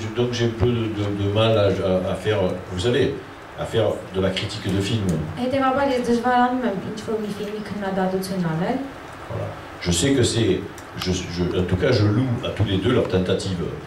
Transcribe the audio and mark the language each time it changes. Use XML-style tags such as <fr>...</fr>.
<fr>donc j'ai un peu de mal à faire, vous savez, à faire de la critique de film.</fr> <hy>Հետևաբար ես դժվարանում եմ ինչ-որ մի ֆիլմի քննադատություն անել.</hy> <fr>Je sais que c'est en tout cas, je loue à tous les deux leur tentative.</fr>